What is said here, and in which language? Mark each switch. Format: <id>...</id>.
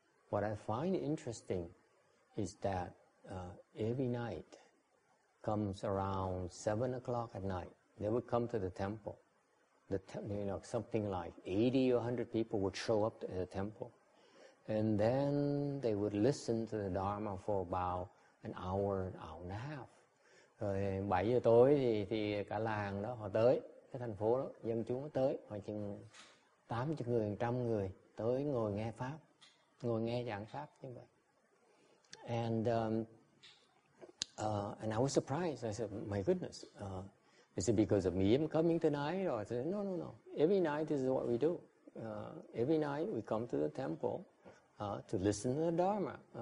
<en>What I find interesting is that every night comes around 7 o'clock at night, they would come to the temple. Something like 80 or 100 people would show up at the temple. And then they would listen to the Dharma for about an hour and a half.</en> <vi>Rồi 7 giờ tối thì cả làng đó họ tới, cái thành phố đó, dân chúng tới, họ chừng 80 người, 100 người tới ngồi nghe Pháp, ngồi nghe giảng Pháp như vậy.</vi> <en>And I was surprised. I said, my goodness, is it because of me I'm coming tonight? Or I said, no. Every night this is what we do. Every night we come to the temple to listen to the Dharma.</en>